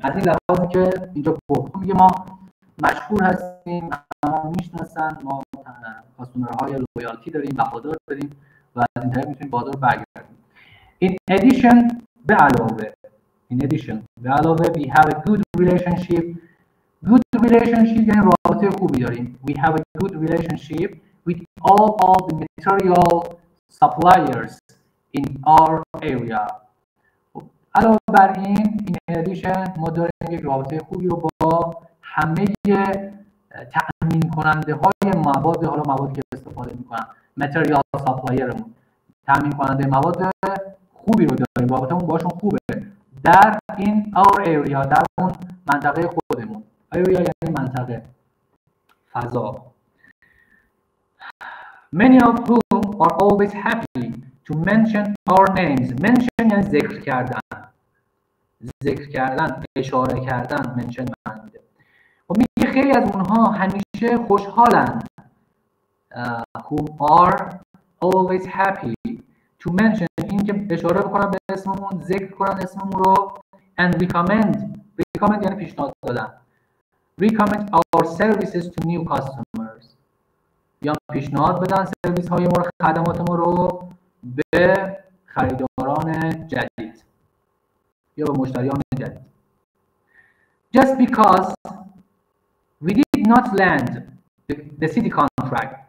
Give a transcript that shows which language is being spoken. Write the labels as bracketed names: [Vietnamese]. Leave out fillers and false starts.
[Persian] از این لحاظی که اینجا گفت میگه ما مشهور هستیم، ما میشناسن، ما کاستومرهای لویالتی داریم، وفادار داریم و از این طریق میتونیم بازار برگردیم. این ادیشن به علاوه [English] we have a good relationship. Good relationship [Persian] یعنی رابطه خوبی داریم. [English] We have a good relationship with all the material suppliers in our area. [Persian] علاوه بر این، این ادیشن ما داریم یک رابطه خوبی رو با همه تأمین کننده های مواد، حالا موادی که استفاده میکنن، material suppliersمون، تأمین کننده مواد خوبی رو داریم، رابطه مون باشون خوبه در این [English] our area، [Persian] در اون منطقه خودمون. area یعنی منطقه، فضا. [English] Many of whom are always happy to mention our names. [Persian] Mention یعنی ذکر کردن. ذکر کردن، اشاره کردن، mention معنیده. و میگه خیلی از اونها همیشه خوشحالن. [English] Who are always happy to mention. [Persian] این که اشاره بکنن به اسممون، ذکر کنن اسممون رو. [English] And recommend. Recommend [Persian] یعنی پیشنهاد دادن. [English] Recommend our services to new customers. [Persian] یا پیشنهاد بدن سرویس های ما رو، خدمات ما رو به خریداران جدید یا به مشتریان جدید. [English] Just because we did not land the city contract.